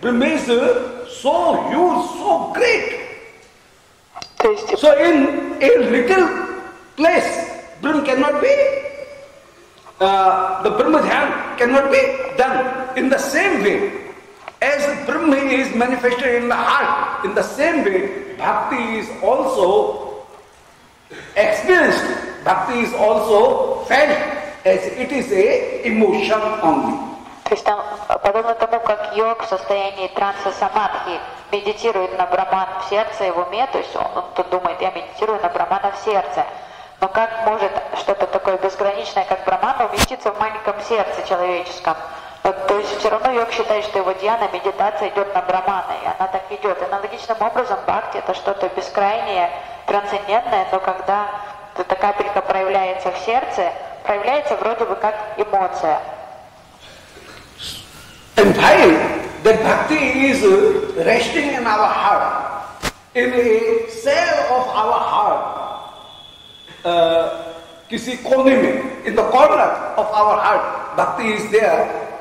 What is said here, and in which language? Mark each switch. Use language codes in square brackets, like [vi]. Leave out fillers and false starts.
[en] Brahma is so huge, so great. So in a little place, Brahma cannot be, the Brahma Dhyan cannot be done. In the same way, as Brahma is manifested in the heart, in the same way, bhakti is also experienced, bhakti is also felt as it is a emotion only. [ru] То есть там подобно тому, как йог в состоянии транса самадхи медитирует на брахман в сердце и в уме, то есть он тут думает, я медитирую на брахмана в сердце. Но как может что-то такое безграничное, как брахман, уместиться в маленьком сердце человеческом? То есть все равно йог считает, что его дьяна, медитация идет на брахмана, и она так идет. Аналогичным образом бхакти это что-то бескрайнее, трансцендентное, но когда эта капелька проявляется в сердце, проявляется вроде бы как эмоция. [en] And while that bhakti is resting in our heart, in a cell of our heart, [hi] kisi kone mein, [en] in the corner of our heart, bhakti is there.